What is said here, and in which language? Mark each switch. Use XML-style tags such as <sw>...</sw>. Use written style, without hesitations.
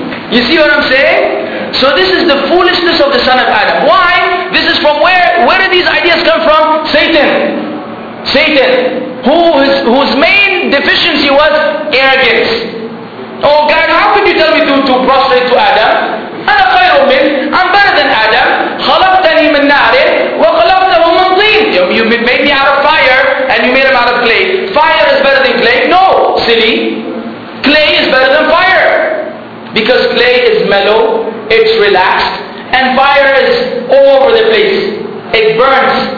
<en>You see what I'm saying? So this is the foolishness of the son of Adam. Why? This is from where? Where did these ideas come from? Satan. Satan, whose main deficiency was arrogance. Oh God, how could you tell me to prostrate to Adam?</en> <ar>أنا خير من,</ar> <en>I'm better than Adam.</en> <ar>خلقتني من نار وخلقته من طين.</ar> <en>You made me out of fire and you made him out of clay. Fire is better than clay. No, silly. Clay is better than fire. Because clay is mellow, it's relaxed, and fire is all over the place. It burns.</en>